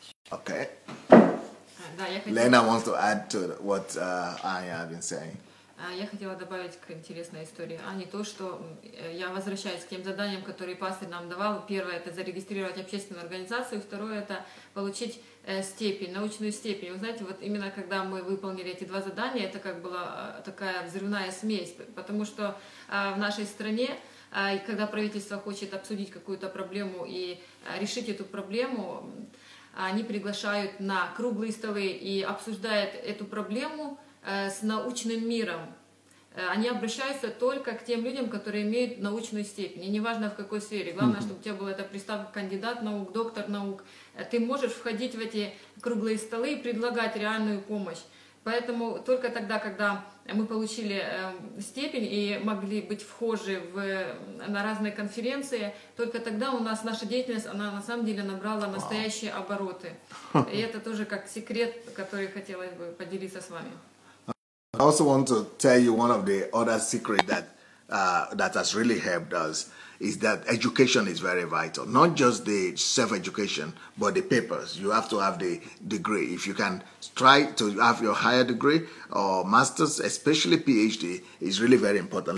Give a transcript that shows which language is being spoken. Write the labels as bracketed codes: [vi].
[en] Okay. Lena wants to add to what Anya has been saying. [ru] Я хотела добавить к интересной истории, а не то, что я возвращаюсь к тем заданиям, которые пастор нам давал. Первое – это зарегистрировать общественную организацию, второе – это получить степень, научную степень. Вы знаете, вот именно когда мы выполнили эти 2 задания, это как была такая взрывная смесь, потому что в нашей стране, когда правительство хочет обсудить какую-то проблему и решить эту проблему, они приглашают на круглые столы и обсуждают эту проблему с научным миром. Они обращаются только к тем людям, которые имеют научную степень. И неважно в какой сфере. Главное, чтобы у тебя была эта приставка кандидат наук, доктор наук. Ты можешь входить в эти круглые столы и предлагать реальную помощь. Поэтому только тогда, когда мы получили степень и могли быть вхожи на разные конференции, только тогда у нас наша деятельность, она на самом деле набрала настоящие обороты. И это тоже как секрет, который хотелось бы поделиться с вами. [en] I also want to tell you one of the other secrets that that has really helped us is that education is very vital. Not just the self-education, but the papers. You have to have the degree. If you can try to have your higher degree or master's, especially PhD, is really very important.